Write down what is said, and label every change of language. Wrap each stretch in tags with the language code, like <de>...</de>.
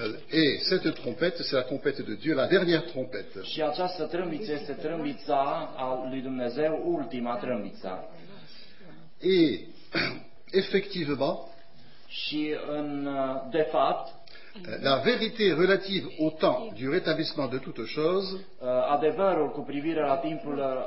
<fr>Et cette trompette, c'est la trompette de Dieu, la dernière trompette.</fr> <ro>Și această trâmbiță este trâmbița a lui Dumnezeu, ultima trâmbiță.</ro> <fr>Et effectivement,</fr> <ro>și în de fapt,</ro> <fr>la vérité relative au temps du rétablissement de toutes choses,</fr> <ro>adevărul cu privire la timpul</ro>